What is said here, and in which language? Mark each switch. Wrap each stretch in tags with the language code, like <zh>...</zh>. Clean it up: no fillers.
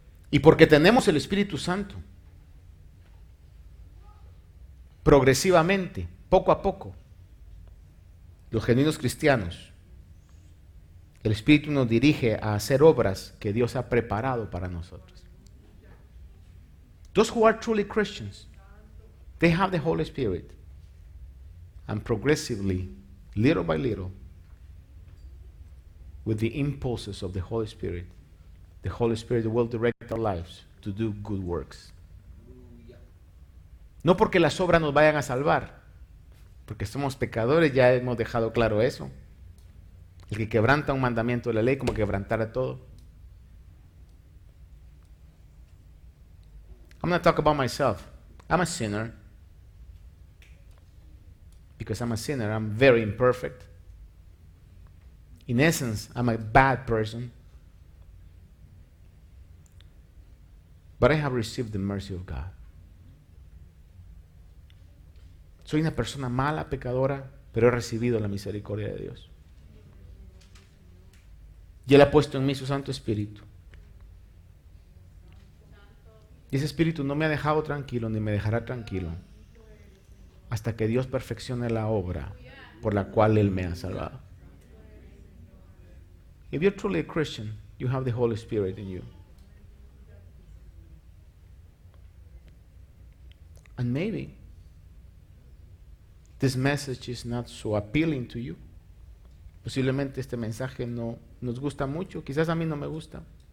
<es>Y porque tenemos el Espíritu Santo, progresivamente, poco a poco, los genuinos cristianos, el Espíritu nos dirige a hacer obras que Dios ha preparado para nosotros.</es> <en>Those who are truly Christians, they have the Holy Spirit. And progressively, little by little, with the impulses of the Holy Spirit will direct our lives to do good works.</en> <es>No porque las obras nos vayan a salvar, porque somos pecadores, ya hemos dejado claro eso. El que quebranta un mandamiento de la ley, como quebrantara todo.</es> <en>I'm not talking about myself. I'm a sinner. Because I'm a sinner, I'm very imperfect. In essence, I'm a bad person. But I have received the mercy of God.</en> <es>Soy una persona mala, pecadora, pero he recibido la misericordia de Dios. Y Él ha puesto en mí su Santo Espíritu. Y ese Espíritu no me ha dejado tranquilo ni me dejará tranquilo hasta que Dios perfeccione la obra por la cual Él me ha salvado.</es> <en>If you're truly a Christian, you have the Holy Spirit in you. And maybe this message is not so appealing to you.</en> <es>Posiblemente este mensaje no nos gusta mucho. Quizás a mí no me gusta.</es>